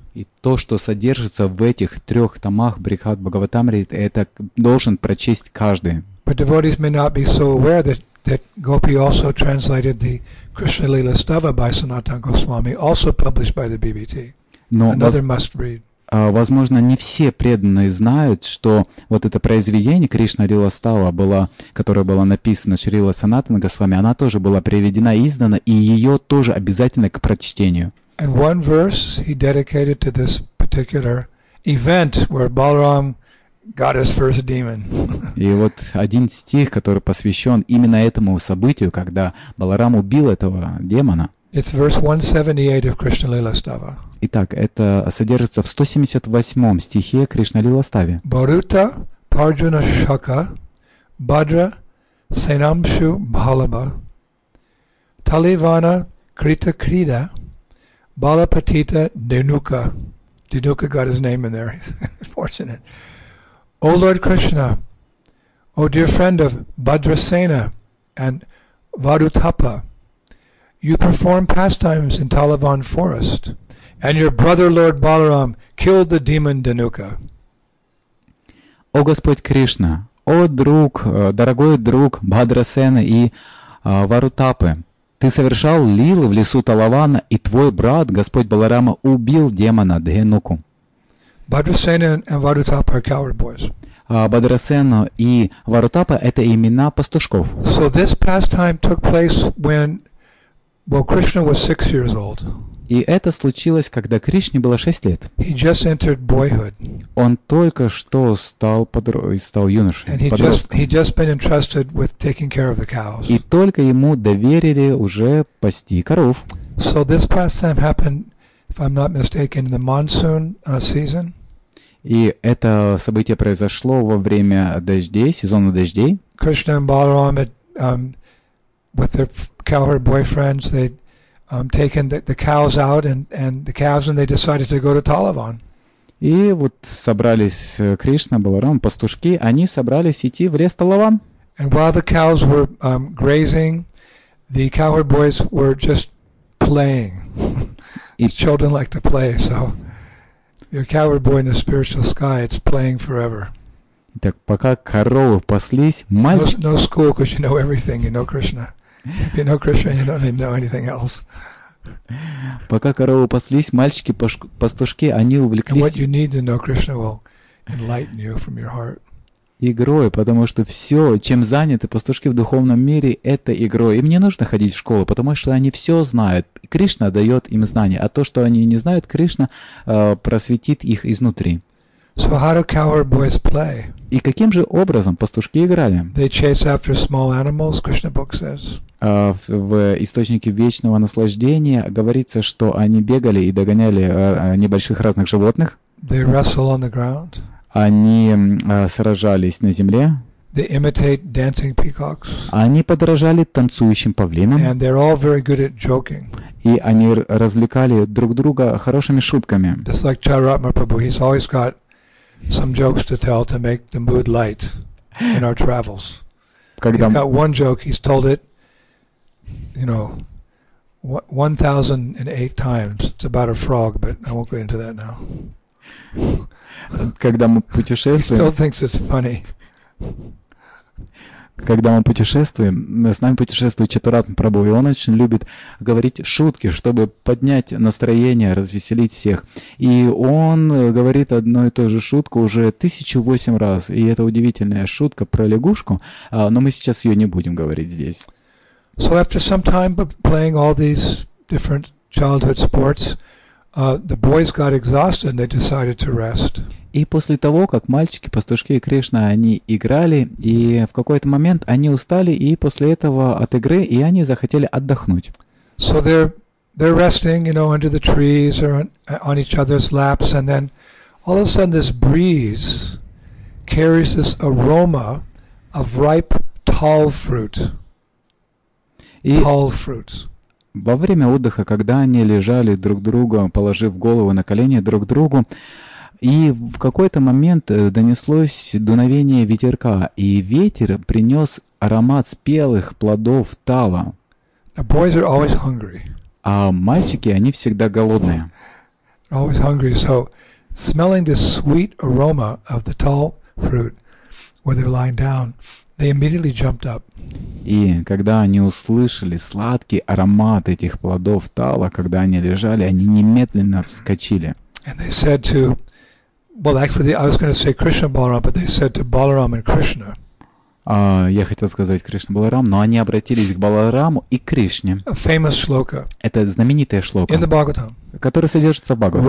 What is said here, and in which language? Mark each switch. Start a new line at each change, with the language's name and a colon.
Russian: И то, что содержится в этих трех томах Брихат Бхагаватамрит, это должен прочесть каждый.
English: But devotees may not be so aware that Gopi also translated the Krishna Lila Stava by Sanatana Goswami, also published by the BBT. Another must read.
Russian: Возможно, не все преданные знают, что вот это произведение Кришна Лила Става, которое было написано Шрила Санатана Госвами, она тоже была приведена, издана, и ее тоже обязательно к прочтению.
English: And one verse he dedicated to this particular event where Balaram got his first demon.
Russian: И вот один стих, который посвящен именно этому событию, когда Баларам убил этого демона.
English: It's verse 178 of Krishna Lila Stava.
Russian: Итак, это содержится в 178 стихе Кришна Лила Стави.
Sanskrit: Барута Парджуна Шака Бадра Сенамшу Бхалаба Талевана Крита Крида Балапатита Денука.
English: Денука got his name in there. Fortunate. O Lord Krishna, O dear friend of Bhadrasena and Varutapa, you perform pastimes in Talavan forest. And your brother, Lord Balaram, killed the demon Danuka.
Russian: О Господь Кришна, о друг, дорогой друг Бхадрасена и Варутапы, ты совершал лилы в лесу Талавана, и твой брат, Господь Баларама, убил демона Дхенуку.
English: Бхадрасена and Варутапа are coward boys.
Russian: Бхадрасена и Варутапа – это имена пастушков.
English: So this pastime took place when, well, Krishna was 6 years old.
Russian: И это случилось, когда Кришне было 6 лет.
English: He just entered boyhood.
Russian: Он только что стал юношей,
English: and he just been entrusted with taking care of the cows.
Russian: И только ему доверили уже пасти коров.
English: So this pastime happened, if I'm not mistaken, in the monsoon season.
Russian: И это событие произошло во время дождей, сезона дождей.
English: Krishna and Balaram with their cowherd boyfriends, they taken the cows out and the calves, and they decided to go to Talavan.
Russian: И вот собрались Кришна, Баларам, пастушки, они собрались идти в лес Талаван.
English: And while the cows were grazing, the cowherd boys were just playing. Children like to play, so your cowherd boy in the spiritual sky, it's playing forever.
Russian: Так пока коровы паслись, мальчик...
English: No school, because you know everything, you know Krishna. If you know Krishna, you don't need to know anything else.
Russian: Пока коровы паслись, мальчики-пастушки, они увлеклись.
English: And what you need to know, Krishna will enlighten you from your heart.
Russian: Игрой, потому что все, чем заняты пастушки в духовном мире, это игрой. Им не нужно ходить в школу, потому что они все знают. Кришна дает им знания, а то, что они не знают, Кришна просветит их изнутри.
English: So how do coward boys play?
Russian: И каким же образом пастушки играли?
English: They chase after small animals, Krishna book says.
Russian: В источнике вечного наслаждения говорится, что они бегали и догоняли небольших разных животных.
English: They wrestle on the ground.
Russian: Они сражались на земле.
English: They imitate dancing peacocks.
Russian: Они подражали танцующим павлинам.
English: And they're all very good at joking.
Russian: И они развлекали друг друга хорошими шутками.
English: Just like Chaitanya Prabhu, he's always got some jokes to tell to make the mood light in our travels.
Russian: Когда...
English: He's got one joke, he's told it, you know, 1008 times. It's about a frog, but I won't go into that now.
Russian: Когда мы путешествуем...
English: He still thinks it's funny.
Russian: Когда мы путешествуем, с нами путешествует Чатуратма Прабху, и он очень любит говорить шутки, чтобы поднять настроение, развеселить всех. И он говорит одну и ту же шутку уже 1008 раз, и это удивительная шутка про лягушку, но мы сейчас ее не будем говорить здесь.
English: So after some time of playing all these different childhood sports, the boys got exhausted and they decided to rest.
Russian: И после того, как мальчики, пастушки и Кришна, они играли, и в какой-то момент они устали, и после этого от игры, и они захотели отдохнуть.
English: So they're resting, you know, under the trees or on each other's laps, and then all of a sudden this breeze carries this aroma of ripe tall fruit. Tall fruits.
Russian: Во время отдыха, когда они лежали друг другу, положив голову на колени друг другу, и в какой-то момент донеслось дуновение ветерка, и ветер принес аромат спелых плодов тала.
English: The boys are always hungry.
Russian: А мальчики, они всегда голодные.
English: They're always hungry. So, smelling the sweet aroma of the tall fruit where they're lying down, they immediately jumped up.
Russian: И когда они услышали сладкий аромат этих плодов тала, когда они лежали, они немедленно вскочили.
English: And they said to, well, actually, I was going to say Krishna Balaram, but they said to Balaram and Krishna.
Russian: Я хотел сказать Кришна Баларам, но они обратились к Балараму и Кришне.
English: A famous shloka.
Russian: Это знаменитая шлока.
English: In the Bhagavatam.
Russian: Которая содержится в Бхагаватам.